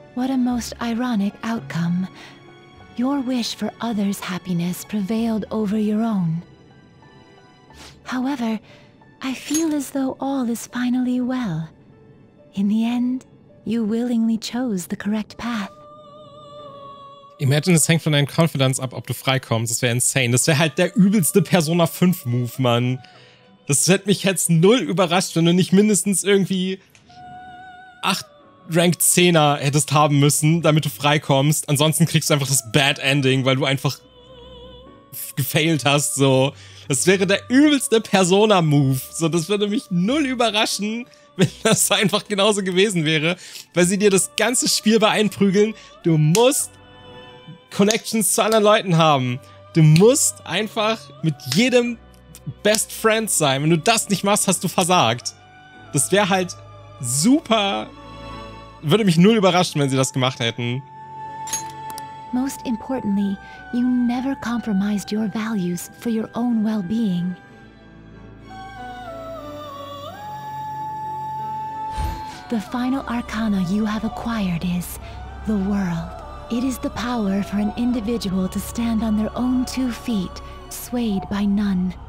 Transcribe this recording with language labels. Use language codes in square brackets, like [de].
[en] What a most ironic outcome. Your wish for others' happiness prevailed over your own. However, I feel as though all is finally well. In the end, you willingly chose the correct path. [de] Imagine, es hängt von deinem Confidence ab, ob du freikommst. Das wäre insane. Das wäre halt der übelste Persona 5-Move, Mann. Das hätte mich jetzt null überrascht, wenn du nicht mindestens irgendwie 8 Rank 10er hättest haben müssen, damit du freikommst. Ansonsten kriegst du einfach das Bad Ending, weil du einfach gefailt hast, so. Das wäre der übelste Persona-Move. So, das würde mich null überraschen, wenn das einfach genauso gewesen wäre, weil sie dir das ganze Spiel beeinprügeln. Du musst Connections zu anderen Leuten haben. Du musst einfach mit jedem Best Friend sein. Wenn du das nicht machst, hast du versagt. Das wäre halt super. Würde mich null überraschen, wenn sie das gemacht hätten. [en] Most importantly, you never compromised your values for your own well-being. The final arcana you have acquired is the world. It is the power for an individual to stand on their own 2 feet, swayed by none.